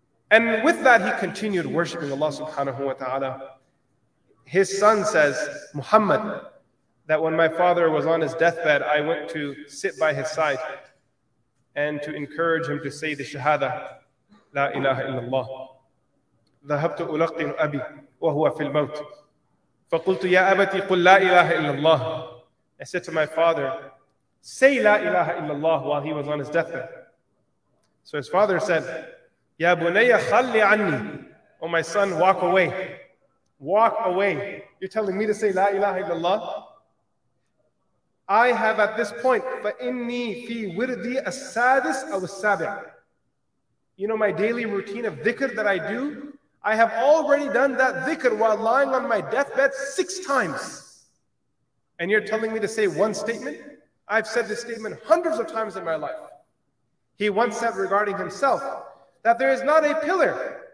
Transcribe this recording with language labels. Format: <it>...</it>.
<en>And with that, he continued worshiping Allah subhanahu wa ta'ala. His son says, Muhammad, that when my father was on his deathbed, I went to sit by his side and to encourage him to say the shahada, La ilaha illallah.</en> <ar>ذهبت ألقن أبي وهو في الموت. فقلت يا أبتي قل لا إله إلا الله.</ar> <en>I said to my father, say</en> <ar>لا إله إلا الله</ar> <en>while he was on his deathbed. So his father said,</en> <ar>يا بني خلي عني.</ar> <en>Oh my son, walk away. Walk away. You're telling me to say</en> <ar>لا إله إلا الله?</ar> <en>I have at this point,</en> <ar>فإني في وردي السادس أو السابع.</ar> <en>You know my daily routine of dhikr that I do? I have already done that dhikr while lying on my deathbed 6 times. And you're telling me to say one statement? I've said this statement hundreds of times in my life. He once said regarding himself that there is not a pillar.</en>